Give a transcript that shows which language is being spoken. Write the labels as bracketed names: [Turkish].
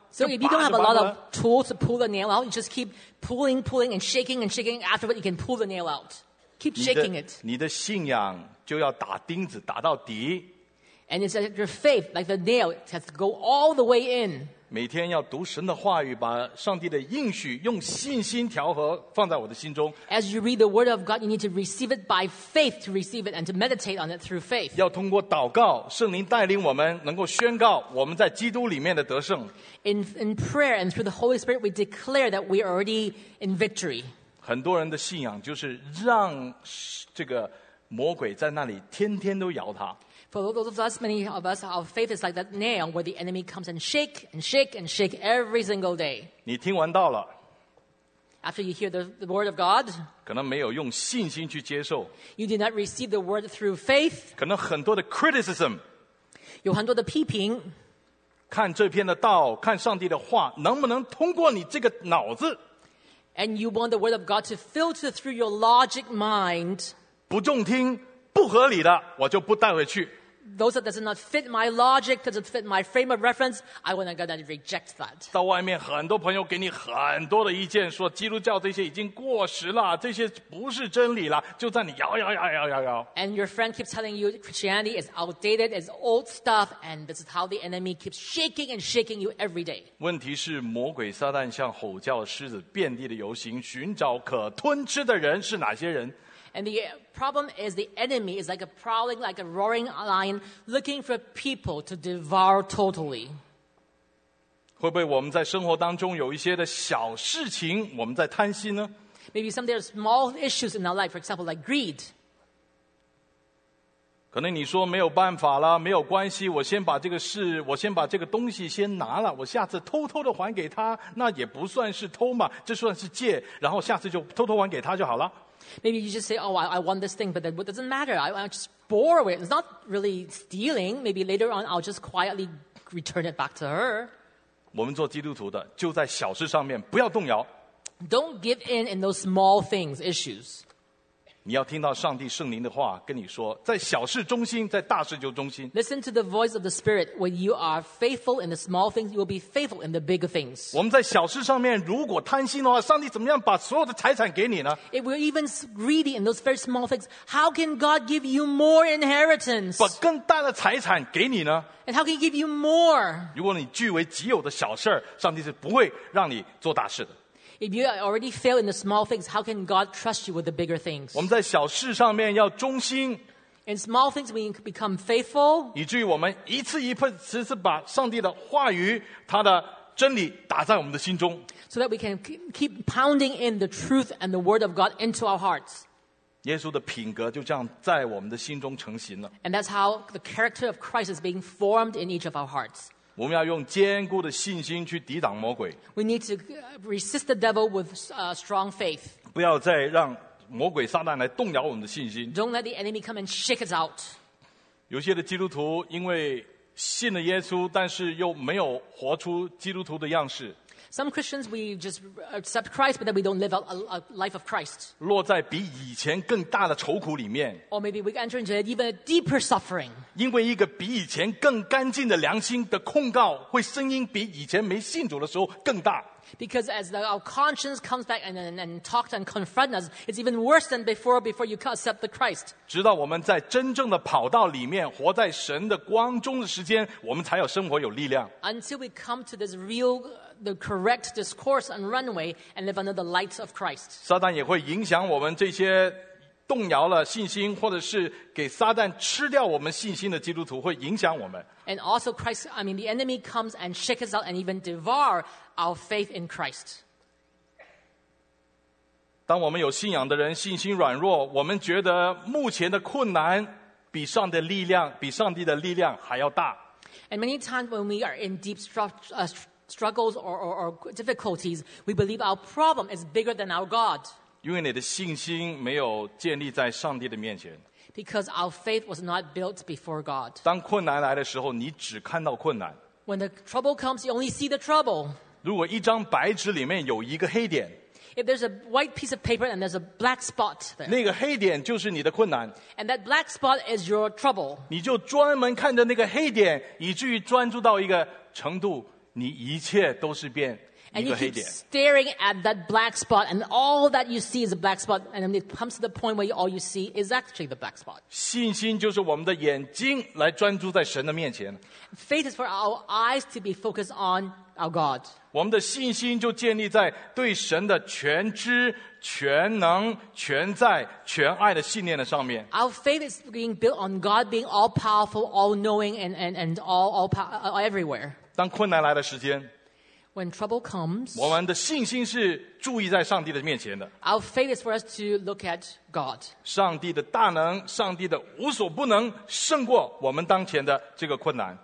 [English] So if you don't have a lot of tools to pull the nail out, you just keep pulling, pulling, and shaking, and shaking. Afterward, you can pull the nail out. Keep shaking it. [Chinese] 你的信仰就要打钉子打到底。 [English] And it's like your faith, like the nail, it has to go all the way in. [Chinese] 每天要读神的话语，把上帝的应许用信心调和放在我的心中。 [English] As you read the word of God, you need to receive it by faith to receive it and to meditate on it through faith. [Chinese] 要通过祷告，圣灵带领我们能够宣告我们在基督里面的得胜。 [English] In prayer and through the Holy Spirit, we declare that we are already in victory. [Chinese] 很多人的信仰就是让这个魔鬼在那里天天都摇他。 [English] For those of us, many of us, our faith is like that nail where the enemy comes and shake and shake and shake every single day. [Chinese] 你听完道了。 [English] After you hear the word of God, [Chinese] 可能没有用信心去接受。 [English] You did not receive the word through faith. [Chinese] 可能很多的 criticism. 有很多的批评。看这篇的道，看上帝的话，能不能通过你这个脑子。 [English] And you want the word of God to filter through your logic mind. [Chinese] 不中听。不合理的我就不带回去 [English] Those that does not fit my logic doesn't fit my frame of reference I want to go and reject that [Chinese] 到外面很多朋友给你很多的意见说基督教这些已经过时了这些不是真理了就在你摇摇摇摇摇摇 [English] And your friend keeps telling you Christianity is outdated is old stuff and this is how the enemy keeps shaking and shaking you every day [Chinese] 问题是魔鬼撒旦像吼叫狮子遍地的游行寻找可吞吃的人是哪些人 [English] And the problem is the enemy is like a prowling, like a roaring lion, looking for people to devour totally. [Chinese] 会不会我们在生活当中有一些的小事情我们在贪心呢 [English] ？Maybe some there are small issues in our life, for example, like greed. [Chinese] 可能你说没有办法了，没有关系，我先把这个事，我先把这个东西先拿了，我下次偷偷的还给他，那也不算是偷嘛，这算是借，然后下次就偷偷还给他就好了。 [English] Maybe you just say, oh, I want this thing, but then it doesn't matter. I just borrow it. It's not really stealing. Maybe later on, I'll just quietly return it back to her. [Chinese] 我们做基督徒的就在小事上面不要动摇。 [English] Don't give in those small things, issues. [Chinese] 你要听到上帝圣灵的话跟你说在小事中心在大事就中心。 [English] Listen to the voice of the Spirit. When you are faithful in the small things, you will be faithful in the big things. [Chinese] 我们在小事上面如果贪心的话上帝怎么样把所有的财产给你呢 [English] If we're even greedy in those very small things, how can God give you more inheritance? [Chinese] 把更大的财产给你呢 [English] And how can he give you more? [Chinese] 如果你据为己有的小事上帝是不会让你做大事的。 [English] If you already fail in the small things, how can God trust you with the bigger things? [Chinese] 我们在小事上面要忠心。 [English] In small things, we become faithful. [Chinese] 以至于我们一次一次把上帝的话语、他的真理打在我们的心中。 [English] So that we can keep pounding in the truth and the word of God into our hearts. [Chinese] 耶稣的品格就这样在我们的心中成型了。 [English] And that's how the character of Christ is being formed in each of our hearts. [Chinese] 我们要用坚固的信心去抵挡魔鬼。 [English] We need to resist the devil with a strong faith. [Chinese] 不要再让魔鬼撒旦来动摇我们的信心。 [English] Don't let the enemy come and shake us out. [Chinese] 有些的基督徒因为信了耶稣，但是又没有活出基督徒的样式。 [English] Some Christians, we just accept Christ, but then we don't live a life of Christ. [Chinese] 落在比以前更大的愁苦里面。 [English] Or maybe we enter into even a deeper suffering. [Chinese] 因为一个比以前更干净的良心的控告，会声音比以前没信主的时候更大。 [English] Because as our conscience comes back and talks and confronts us, it's even worse than before you accept the Christ. [Chinese] 直到我们在真正的跑道里面，活在神的光中的时间，我们才有生活有力量。 [English] Until we come to this real, the correct discourse and runway and live under the light of Christ. [Chinese] 撒旦也会影响我们这些动摇了信心，或者是给撒旦吃掉我们信心的基督徒，会影响我们。 [English] And also Christ, I mean the enemy comes and shakes us out and even devour our faith in Christ. [Chinese] 当我们有信仰的人信心软弱，我们觉得目前的困难比上帝的力量，比上帝的力量还要大。 [English] And many times when we are in deep struggles or difficulties, we believe our problem is bigger than our God. [Chinese] 因为你的信心没有建立在上帝的面前。 [English] Because our faith was not built before God. [Chinese] 当困难来的时候，你只看到困难。 [English] When the trouble comes, you only see the trouble. [Chinese] 如果一张白纸里面有一个黑点。 [English] If there's a white piece of paper and there's a black spot there. [Chinese] 那个黑点就是你的困难。 [English] And that black spot is your trouble. [Chinese] 你就专门看着那个黑点，以至于专注到一个程度，你一切都是变。 [English] And you keep staring at that black spot, and all that you see is a black spot, and then it comes to the point where all you see is actually the black spot. [Chinese] 信心就是我们的眼睛来专注在神的面前。 [English] Faith is for our eyes to be focused on our God. [Chinese] 我们的信心就建立在对神的全知、全能、全在、全爱的信念的上面。 [English] Our faith is being built on God being all powerful, all knowing, and all everywhere. [Chinese] 当困难来的时间。 [English] When trouble comes, [Chinese] 我们的信心是注意在上帝的面前的。 [English] Our faith is for us to look at God. [Chinese] 上帝的大能，上帝的无所不能，胜过我们当前的这个困难。